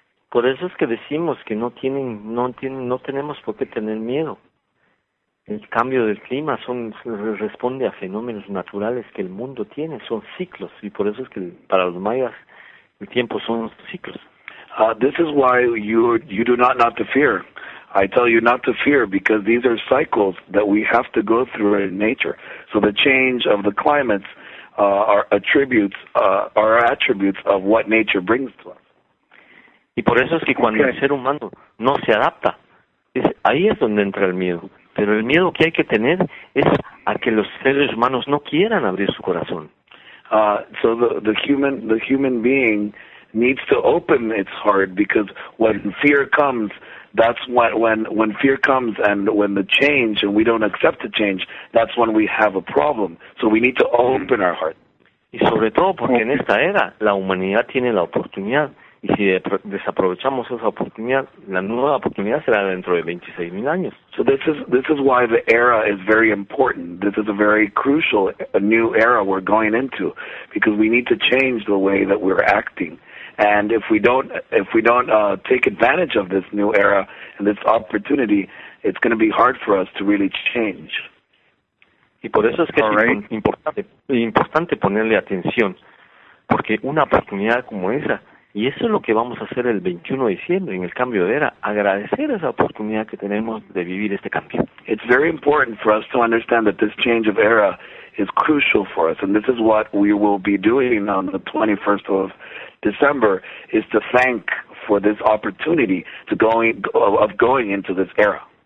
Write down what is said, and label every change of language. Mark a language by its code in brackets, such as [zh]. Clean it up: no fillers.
[es] por eso es que decimos que no tenemos por qué tener miedo. El cambio del clima responde a fenómenos naturales que el mundo tiene, son ciclos, y por eso es que para los mayas el tiempo son ciclos. [en] This is why you do not to fear. I tell you not to fear, because these are cycles that we have to go through in nature. So the change of the climates are attributes of what nature brings to us. [es] Y por eso es que cuando el ser humano no se adapta, ahí es donde entra el miedo. Pero el miedo que hay que tener es a que los seres humanos no quieran abrir su corazón. [en] So the human being needs to open its heart, because when fear comes, that's when fear comes, and when the change, and we don't accept the change, that's when we have a problem. So we need to open our heart. [es] Y sobre todo porque en esta era la humanidad tiene la oportunidad, y si desaprovechamos esa oportunidad, la nueva oportunidad será dentro de 26,000 años. [en] So this is why the era is very important. This is a very crucial a new era we're going into, because we need to change the way that we're acting. And if we don't take advantage of this new era and this opportunity, it's going to be hard for us to really change. [es] Y por eso es que es importante ponerle atención, porque una oportunidad como esa, y eso es lo que vamos a hacer el 21 de diciembre en el cambio de era, agradecer esa oportunidad que tenemos de vivir este cambio. [en] It's very important for us to understand that this change of era is crucial for us, and this is what we will be doing on the 21st of December, is to thank for this opportunity to going into this era.